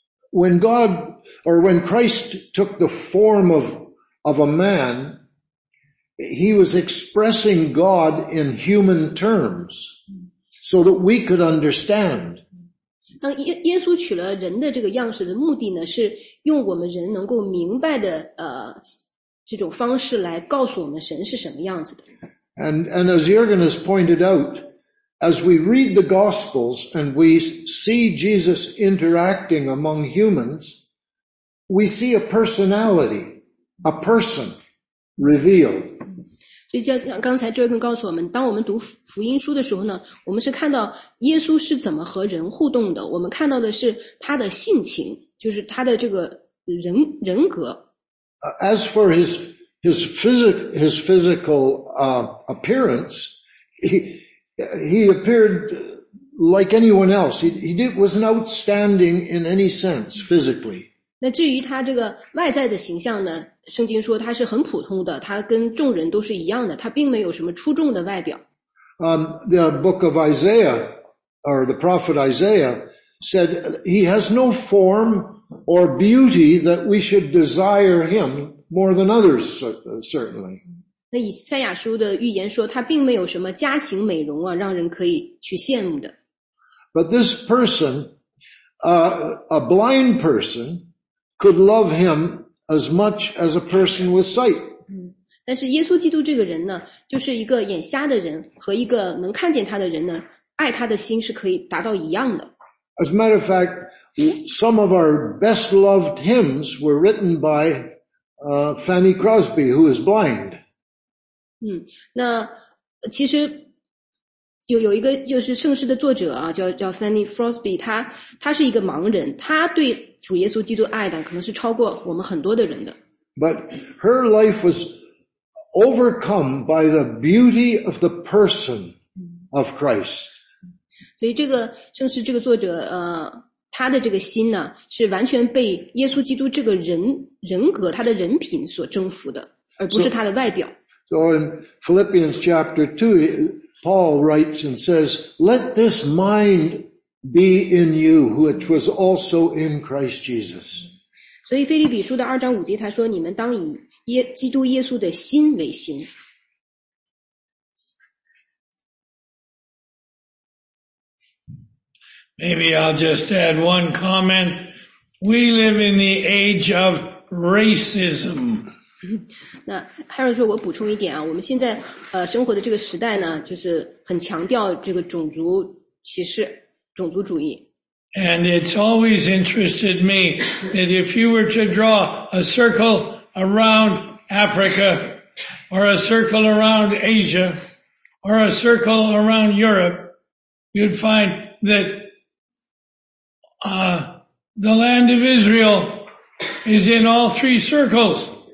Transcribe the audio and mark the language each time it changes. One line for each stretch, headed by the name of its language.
English: When God or when Christ took the form of a man, He was expressing God in human terms so that we could understand.
Chinese: 当耶稣取了人的这个样式的目的呢，是用我们人能够明白的这种方式来告诉我们神是什么样子的。
English: And as Jürgen has pointed out, as we read the Gospels and we see Jesus interacting among humans, we see a personality, a person revealed.
Chinese: 所以就像刚才 Jürgen 告诉我们，当我们读福音书的时候呢，我们是看到耶稣是怎么和人互动的，我们看到的是他的性情，就是他的这个人格。
English: As for his physical appearance, he appeared like anyone else. He wasn't outstanding in any sense physically.
Chinese: 那至于他这个外在的形象呢，圣经说他是很普通的，他跟众人都是一样的，他并没有什么出众的外表。
English: The book of Isaiah, or the prophet Isaiah, said he has no form or beauty that we should desire him more than others, certainly.
Chinese: 那以赛亚书的预言说，他并没有什么家型美容啊，让人可以去羡慕的。
English: But this person, a blind person, could love him as much as a person with sight.
Chinese: 但是耶稣基督这个人呢，就是一个眼瞎的人和一个能看见他的人呢，爱他的心是可以达到一样的。
English: As a matter of fact, some of our best loved hymns were written by Fanny Crosby, who is blind.
Chinese: 那其实有一个就是圣诗的作者啊，叫 Fanny Crosby, 他是一个盲人，他对主耶稣基督爱的可能是超过我们很多的人的。
English: But her life was overcome by the beauty of the person of Christ.
Chinese: 所以这个圣诗这个作者他的这个心呢，是完全被耶稣基督这个人格他的人品所征服的，而不是他的外表。
English: So in Philippians chapter 2, Paul writes and says, let this mind be in you, which was also in Christ Jesus.
Chinese: 所以腓立比书的二章五节他说，你们当以基督耶稣的心为心。
English: Maybe I'll just add one comment. We live in the age of racism.
Chinese: 那 Harry 说，我补充一点啊，我们现在生活的这个时代呢，就是很强调这个种族歧视、种族主义。
English: And it's always interested me that if you were to draw a circle around Africa, or a circle around Asia, or a circle around Europe, you'd find that the land of Israel is in all three circles.